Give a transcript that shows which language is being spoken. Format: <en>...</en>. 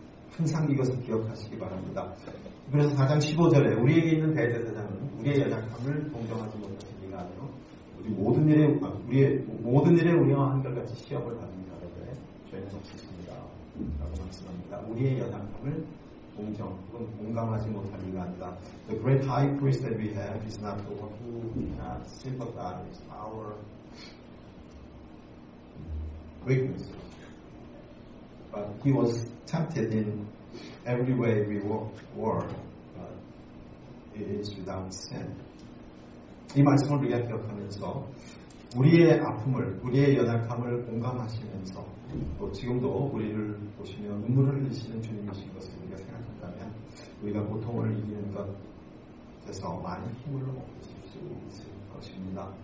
<ko>항상 이것을 기억하시기 바랍니다. 그래서 4장 15절에 우리에게 있는 대제사장은 우리의 연약함을 동정하지 못하신 이가 아니요 우리 모든 일에 우리의 모든 일에 우리와 한결같이 시험을 받는 자들에 죄는 없으십니다라고 말씀합니다. 우리의 연약함을 동정 혹은 공감하지 못한 이가 아니라</ko> <en>the great high priest that we have is not the one who cannot sympathize our weakness, but he was tempted in every way we were. It is without sin.</en> <ko>이 말씀을 우리가 기억하면서 우리의 아픔을 우리의 연약함을 공감하시면서 또 지금도 우리를 보시며 눈물을 흘리시는 주님이신 것을 우리가 생각한다면 우리가 고통을 이기는 것에서 많은 힘을 얻으실 수 있을 것입니다.</ko>